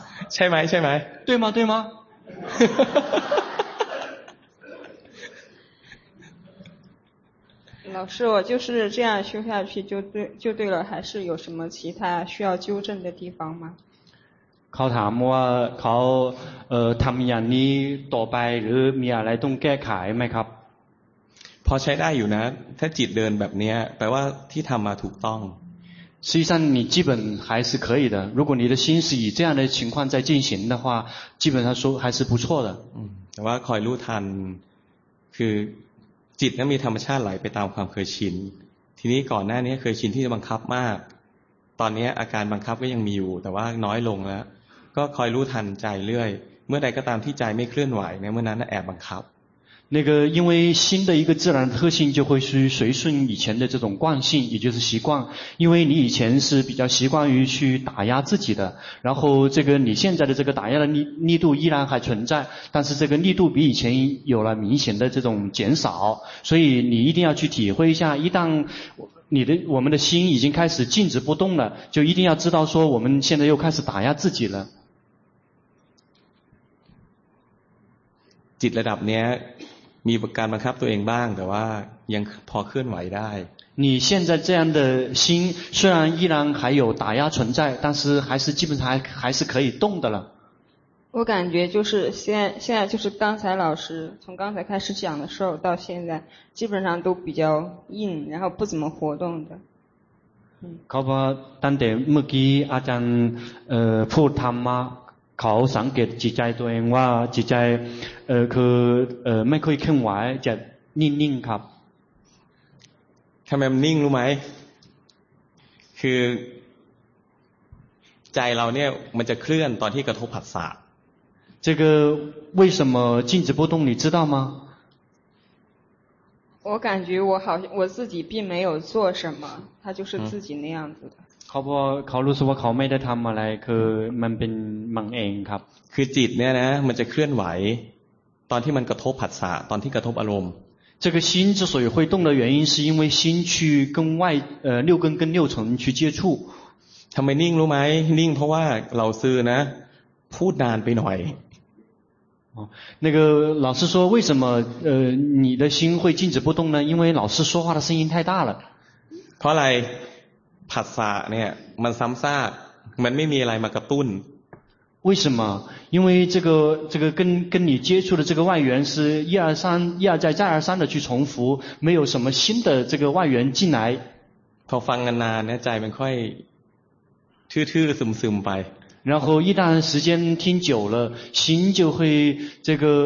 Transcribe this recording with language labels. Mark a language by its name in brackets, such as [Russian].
[Thai] ใช่ไหมใช่ไหม [Chinese] 对吗对吗老师我就是这样修下去就对了还是有什么其他需要纠正的地方吗 [Thai] เขาถามว่าเขาทำอย่างนี้ต่อไปหรือมีอะไรต้องแก้ไขไหมครับ พอใช้ได้อยู่นะถ้าจิตเดินแบบนี้แปลว่าที่ทำมาถูกต้อง [Chinese] 实际上你基本还是可以的如果你的心是以这样的情况在进行的话基本上说还是不错的 [Thai] แต่ว่าคอยรู้ทันคือจิตนั้นมีธรรมชาติไหลไปตามความเคยชินทีนี้ก่อนหน้านี้เคยชินที่จะบังคับมากตอนนี้อาการบังคับก็ยังมีอยู่แต่ว่าน้อยลงแล้วก็คอยรู้ทันใจเรื่อยเมื่อใดก็ตามที่ใจไม่เคลื่อนไหวเนี่ยเมื่อนั้นแอบบังคับ [Chinese] 那个因为心的一个自然特性就会去随顺以前的这种惯性也就是习惯因为你以前是比较习惯于去打压自己的然后这个你现在的这个打压的力度依然还存在但是这个力度比以前有了明显的这种减少所以你一定要去体会一下一旦我们的心已经开始静止不动了就一定要知道说我们现在又开始打压自己了 [Thai] จิตระดับเนี้ยมีการบังคับตัวเองบ้างแต่ว่ายังพอเคลื่อนไหวได้ [Chinese] 你现在这样的心虽然依然还有打压存在但是还是基本上还是可以动的了我感觉就是现在就是刚才老师从刚才开始讲的时候到现在基本上都比较硬然后不怎么活动的 [Thai] เขาบอกตั้งแต่เมื่อกี้อาจารย์พูดธรรมะเขาสังเกตจิตใจตัวเองว่าจิตใจคือไม่ค่อยเคลื่อนไหวจะนิ่งๆครับ ทำไมมันนิ่งรู้ไหมคือใจเราเนี่ยมันจะเคลื่อนตอนที่กระทบผัสสะ [Chinese] 这个为什么静止不动你知道吗我感觉我好像我自己并没有做什么它就是自己那样子的 [Thai] เขาบอกเขารู้สึกว่าเขาไม่ได้ทำอะไรคือมันเป็นมันเองครับ คือจิตเนี่ยนะมันจะเคลื่อนไหวตอนที่มันกระทบผัสสะตอนที่กระทบอารมณ์ [Chinese] 这个心之所以会动的原因是因为心去跟外六根跟六尘去接触 [Thai] ทำไมนิ่งรู้ไหมนิ่งเพราะว่าเราซื่อนะพูดนานไปหน่อย [Chinese] 那个老师说为什么你的心会静止不动呢因为老师说话的声音太大了 [Thai] เพราะอะไรผัสสะเนี่ยมันซ้ำซากมันไม่มีอะไรมากระตุ้น [Chinese] 为什么因为这个跟你接触的这个外缘是一二三一而再再而三的去重复没有什么新的这个外缘进来 [Thai] พอฟังนานเนี่ยใจมันค่อยทื่อๆซึมๆไป [Chinese] 然后一旦时间听久了心就会这个